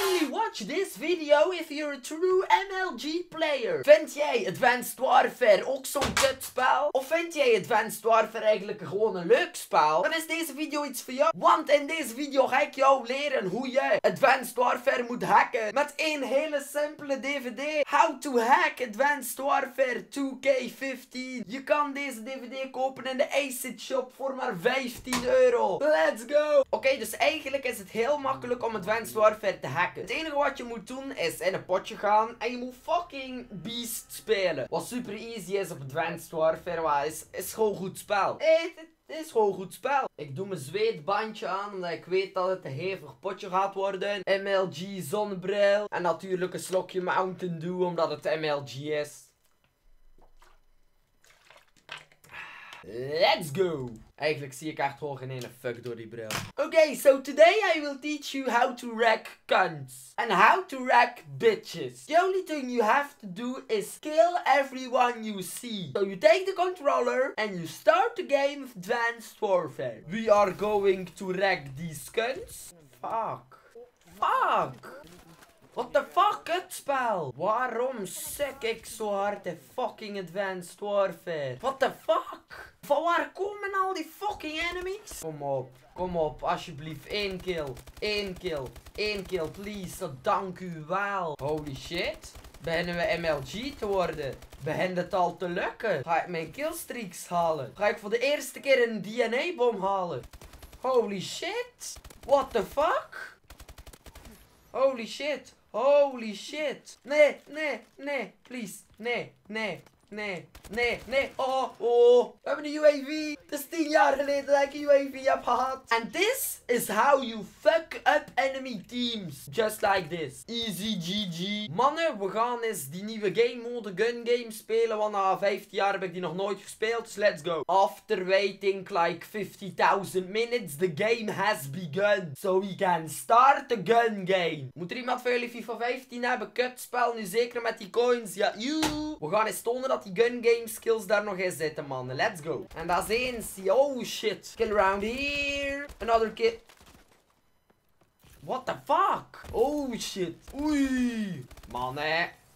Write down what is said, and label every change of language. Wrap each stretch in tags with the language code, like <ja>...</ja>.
<en>Watch this video if you're a true MLG player.</en> <nl>Vind jij Advanced Warfare ook zo'n kutspel? Of vind jij Advanced Warfare eigenlijk gewoon een leuk spel? Dan is deze video iets voor jou. Want in deze video ga ik jou leren hoe je Advanced Warfare moet hacken. Met één hele simpele DVD.</nl> <en>How to hack Advanced Warfare 2K15.</en> <nl>Je kan deze DVD kopen in de Acid Shop voor maar 15 euro.</nl> <en>Let's go!</en> <nl>Oké, dus eigenlijk is het heel makkelijk om Advanced Warfare te hacken. Het enige wat je moet doen is in een potje gaan en je moet</nl> <en>fucking beast</en> <nl>spelen. Wat super easy is op Advanced Warfare, maar is gewoon goed spel. Het is gewoon een goed spel. Ik doe mijn zweetbandje aan, omdat ik weet dat het een hevig potje gaat worden. MLG zonnebril. En natuurlijk een slokje Mountain Dew, omdat het MLG is.</nl> <en>Let's go!</en> <nl>Eigenlijk zie ik echt gewoon geen ene fuck door die bril.</nl> <en>Oké, so today I will teach you how to wreck cunts. And how to wreck bitches. The only thing you have to do is kill everyone you see. So you take the controller and you start the game of Advanced Warfare. We are going to wreck these cunts. Fuck. Fuck! What the fuck,</en> <nl>kutspel? Waarom suk ik zo hard in fucking Advanced Warfare?</nl> <en>What the fuck?</en> <nl>Van waar komen al die fucking enemies? Kom op, alsjeblieft. Eén kill. Eén kill. Eén kill, please. Dank u wel.</nl> <en>Holy shit.</en> <nl>Beginnen we MLG te worden? Begint het al te lukken? Ga ik mijn killstreaks halen? Ga ik voor de eerste keer een DNA-bom halen?</nl> <en>Holy shit. What the fuck? Holy shit. Holy shit.</en> <nl>Nee, nee, nee.</nl> <en>Please.</en> <nl>Nee, nee. Nee, nee, nee. Oh, oh. We hebben een UAV. Het is 10 jaar geleden dat ik een UAV heb gehad.</nl> <en>And this is how you fuck up enemy teams. Just like this. Easy GG.</en> <nl>Mannen, we gaan eens die nieuwe game mode gun game spelen. Want na 15 jaar heb ik die nog nooit gespeeld.</nl> <en>Dus let's go. After waiting like 50,000 minutes, the game has begun. So we can start the gun game.</en> <nl>Moet er iemand van jullie FIFA 15 hebben? Kutspel nu zeker met die coins. Ja, you. We gaan eens tonen dat die gun game skills daar nog in zitten, man.</nl> <en>Let's go.</en> <nl>En dat is eens. Oh, shit.</nl> <en>Kill round here. Another kill. What the fuck? Oh, shit. Oei. Man, hè.</en>